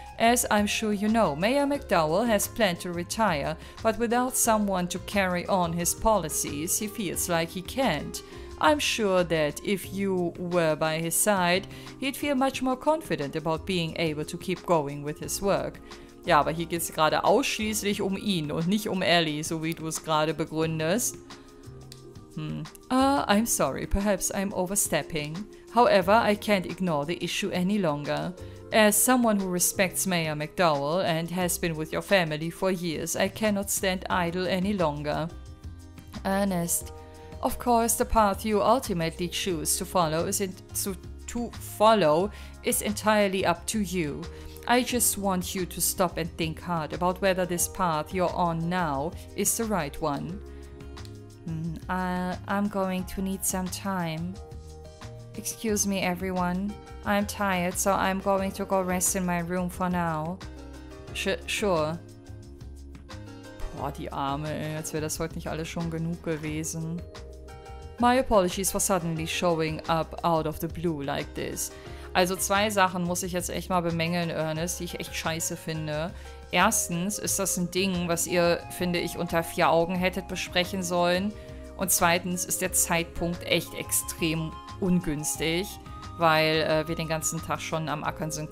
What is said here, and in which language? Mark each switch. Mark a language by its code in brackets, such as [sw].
[en] As I'm sure you know, Mayor McDowell has planned to retire, but without someone to carry on his policies, he feels like he can't. I'm sure that if you were by his side, he'd feel much more confident about being able to keep going with his work. [de] Ja, aber hier geht es gerade ausschließlich um ihn und nicht um Ellie, so wie du es gerade begründest. [en] I'm sorry, perhaps I'm overstepping. However, I can't ignore the issue any longer. As someone who respects Mayor McDowell and has been with your family for years, I cannot stand idle any longer. Ernest, of course, the path you ultimately choose to follow is entirely up to you. I just want you to stop and think hard about whether this path you're on now is the right one. I'm going to need some time. Excuse me, everyone. I'm tired, so I'm going to go rest in my room for now. [de] Sure. Boah, die Arme, ey. Als wäre das heute nicht alles schon genug gewesen. [en] My apologies for suddenly showing up out of the blue like this. [de] Also zwei Sachen muss ich jetzt echt mal bemängeln, Ernest, die ich echt scheiße finde. Erstens ist das ein Ding, was ihr, finde ich, unter vier Augen hättet besprechen sollen. Und zweitens ist der Zeitpunkt echt extrem ungünstig, weil wir den ganzen Tag schon am Ackern sind.